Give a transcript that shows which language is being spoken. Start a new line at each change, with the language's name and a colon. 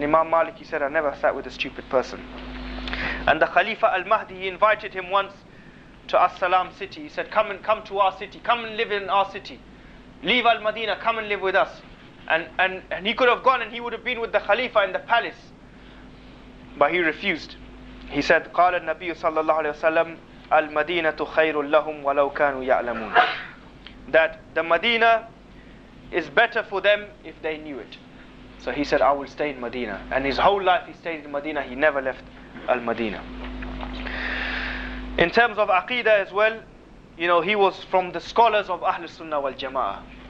English: And Imam Malik, he said, I never sat with a stupid person. And the Khalifa Al-Mahdi, he invited him once to As-Salam city. He said, come to our city, come and live in our city. Leave Al-Madinah, come and live with us. And he could have gone, and he would have been with the Khalifa in the palace. But he refused. He said,
Arabic: قال النبي صلى الله عليه وسلم المدينة خير لهم ولو كانوا يعلمون.
English: That the Medina is better for them if they knew it. So he said, I will stay in Medina. And his whole life he stayed in Medina. He never left Al-Madina. In terms of aqidah as well, you know, he was from the scholars of Ahl Sunnah wal Jama'ah.